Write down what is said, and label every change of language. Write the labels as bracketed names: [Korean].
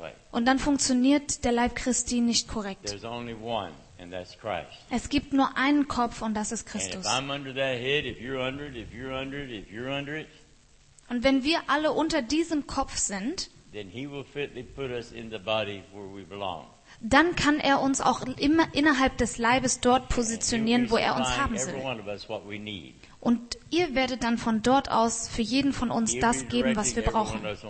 [German] Und dann funktioniert der Leib Christi nicht korrekt. [English] And that's Christ. [German] Es gibt nur einen Kopf und das ist Christus. [English] And if I'm under that head, if you're under it, if you're under it, if you're under it. [German] Und wenn wir alle unter diesem Kopf sind, [English] then he will fitly put us in the body where we belong. [German] Dann kann er uns auch immer innerhalb des Leibes dort positionieren, wo er uns haben will. Und ihr werdet dann von dort aus für jeden von uns das geben, was wir brauchen.